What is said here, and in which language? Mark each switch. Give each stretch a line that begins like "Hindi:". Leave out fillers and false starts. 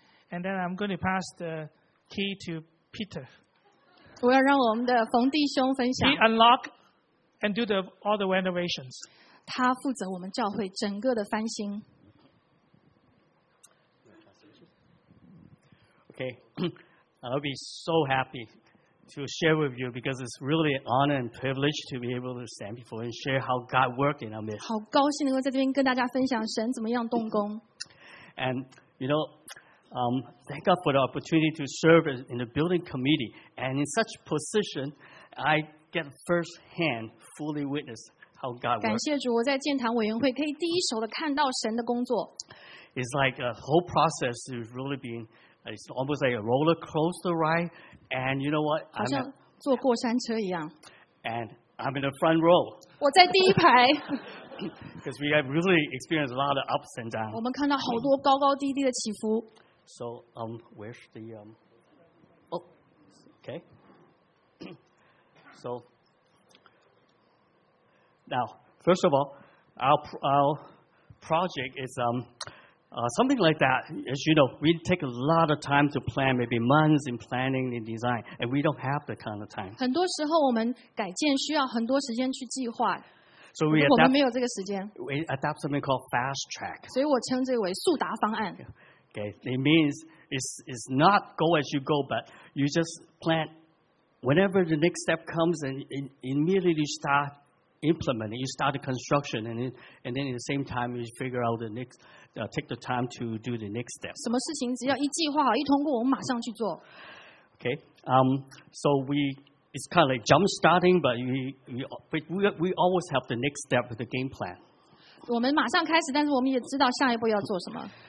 English: And then I'm going to pass the key to Peter.
Chinese: 我要让我们的冯弟兄分享。
English: He unlock and do all the renovations.
Chinese: 他负责我们教会整个的翻新。
English: Okay, I'll be so happy to share with you because it's really an honor and privilege to be able to stand before and share how God worked in our midst.
Chinese: 好高兴能够在这边跟大家分享神怎么样动工。
English: And you know, thank God for the opportunity to serve in the building committee. And in such position, I get firsthand fully witness how God works.
Chinese: 感谢主，我在建堂委员会可以第一手的看到神的工作。
English: It's like a whole process is really being, it's almost like a roller coaster ride. And you know what?
Chinese: 好像坐过山车一样。
English: And I'm in the front row.
Chinese: 我在第一排。
English: Because we have really experienced a lot of ups and downs.
Chinese: 我们看到好多高高低低的起伏。
English: So, where's the, okay. So, now, first of all, our project is, something like that, as you know, we take a lot of time to plan, maybe months in planning and design, and we don't have that kind of time.
Chinese: 很多时候我们改建需要很多时间去计划。
English: So we adapt,
Chinese: 我们没有这个时间。
English: We adapt something called fast track.
Chinese: 所以我称之为速达方案。
English: Okay, it means it's not go as you go, but you just plan whenever the next step comes and immediately start implementing, you start the construction, and then at the same time you figure out the next. Take the time to do the next step.
Chinese: 什么事情只要一计划好，一通过，我们马上去做。
English: Okay, so we it's kind of like jump starting, but we always have the next step with the game plan.
Chinese: 我们马上开始，但是我们也知道下一步要做什么。